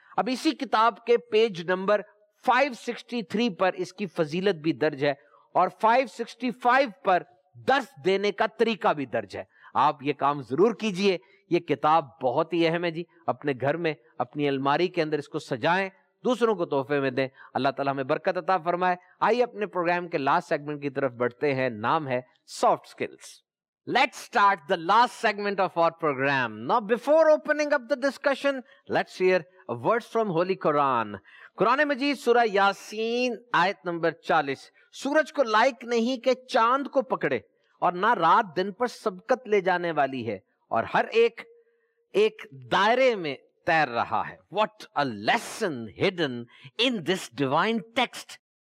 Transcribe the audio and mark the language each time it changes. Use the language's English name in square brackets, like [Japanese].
[Urdu] اب اسی کتاب کے پیج نمبر 563 پر اس کی فضیلت بھی درج ہے, اور 565 پر درس دینے کا طریقہ بھی درج ہے. آپ یہ کام ضرور کیجئے, یہ کتاب بہت ہی اہم ہے جی. اپنے گھر میں, اپنی الماری کے اندر اس کو سجائیں, دوسروں کو تحفے میں دیں. اللہ تعالیٰ ہمیں برکت عطا فرمائے. آئیے اپنے پروگرام کے لاسٹ سیگمنٹ کی طرف بڑھتے ہیں, نام ہے soft skills. [English] Let's start the last segment of our program. Now before opening up the discussion, let's hear a words from Holy Quran. [Urdu] قرآن مجید سورہ یاسین آیت نمبر 40. سورج کو لائق نہیں کہ چاند کو پکڑے, اور نہ رات دن پر سبقت لے جانے والی ہے, اور ہر ایک دائرے میں تیر رہا ہے. [English] What a lesson hidden in this divine text.